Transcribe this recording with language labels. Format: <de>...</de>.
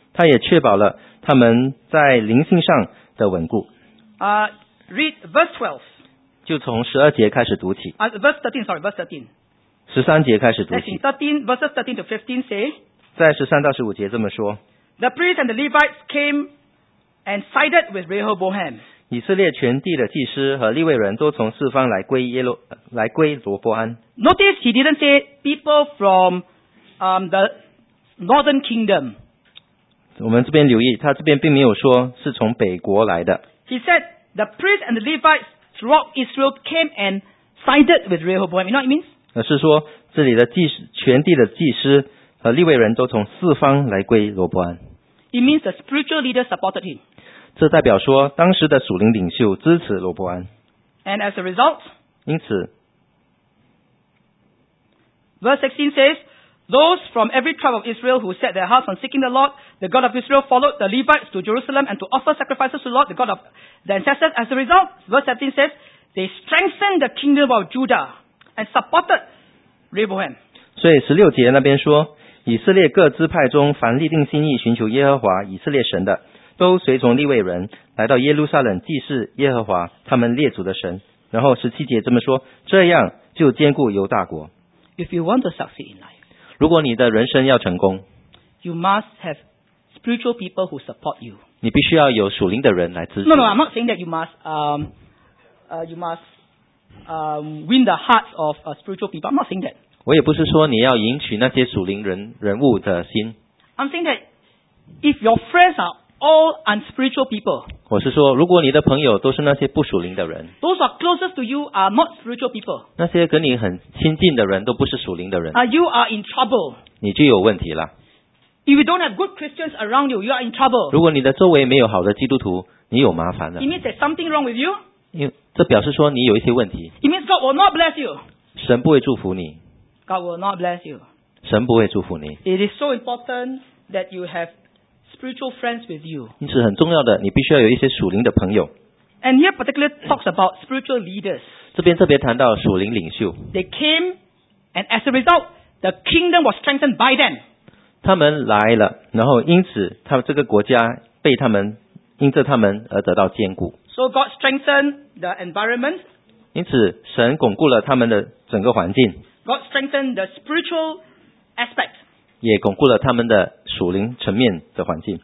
<zh>他也确保了他们在灵性上的稳固。</zh> <en>Read verse 12.</en> <zh>就从十二节开始读起。</zh> <en>Verse 13.</en> <zh>十三节开始读起。</zh> <en>13:13-15 say.</en> <zh>在十三到十五节这么说。</zh> <en>The priests and the Levites came and sided with Rehoboam.</en> <zh>以色列全地的祭司和利未人都从四方来归罗波安。</zh> <en>Notice he didn't say people from the northern kingdom.</en> <zh>我们这边留意，他这边并没有说是从北国来的。</zh> <en>He said the priests and the Levites. Throughout Israel came and sided with Rehoboam. You know what it means?</en> <zh>而是说，这里的祭司、全地的祭司和利未人都从四方来归罗伯安。</zh> <en>It means the spiritual leader supported him.</en> <zh>这代表说，当时的属灵领袖支持罗伯安。</zh> <en>And as a result,</en> <zh>因此</zh> <en>verse 16 says, those from every tribe of Israel who set their hearts on seeking the Lord, the God of Israel, followed the Levites to Jerusalem and to offer sacrifices to the Lord, the God of the ancestors. As a result, verse 17 says, they strengthened the kingdom of Judah and supported Rehoboam.</en> <zh>所以十六节那边说，以色列各支派中凡立定心意寻求耶和华以色列神的，都随从利未人来到耶路撒冷祭祀耶和华他们列祖的神。然后十七节这么说，这样就坚固犹大国。</zh> <en>If you want to succeed in life.</en> <zh>如果你的人生要成功，</zh> <en>you must have spiritual people who support you.</en> <zh>你必须要有属灵的人来支持。</zh> <en>No, I'm not saying that you must win the hearts of a spiritual people. I'm not saying that.</en> <zh>我也不是说你要赢取那些属灵人物的心。</zh> <en>I'm saying that if your friends are all unspiritual people,</en> <zh>我是说，如果你的朋友都是那些不属灵的人，</zh> <en>those who are closest to you are not spiritual people.</en> <zh>那些跟你很亲近的人都不是属灵的人。</zh> <en>You are in trouble.</en> <zh>你就有问题了。</zh> <en>If you don't have good Christians around you, you are in trouble.</en> <zh>如果你的周围没有好的基督徒，你有麻烦了。</zh> <en>It means there's something wrong with you.</en> <zh>这表示说你有一些问题。</zh> <en>It means God will not bless you.</en> <zh>神不会祝福你。</zh> <en>God will not bless you.</en> <zh>神不会祝福你。</zh> <en>It is so important that you have. Spiritual friends with you.</en> <zh>因此很重要的，你必须要有一些属灵的朋友。</zh> <en>And here particularly talks about spiritual leaders.</en> <zh>这边特别谈到属灵领袖。</zh> <en>They came, and as a result, the kingdom was strengthened by them.</en> <zh>他们来了，然后因此他这个国家被他们因着他们而得到坚固。</zh> <en>So God strengthened the environment.</en> <zh>因此神巩固了他们的整个环境。</zh> <en>God strengthened the spiritual aspect.</en> <zh>也巩固了他们的。属灵层面的环境。</zh>